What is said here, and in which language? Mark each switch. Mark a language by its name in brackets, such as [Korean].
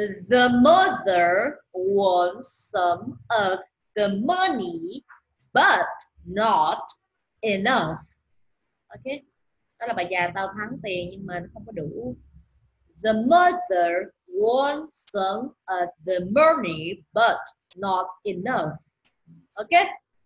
[English] The mother wants some of the money, but not enough. Ok. [Vietnamese] Đó là bà già tao thắng tiền nhưng mà nó không có đủ. [English] The mother wants some of the money, but not enough. Ok.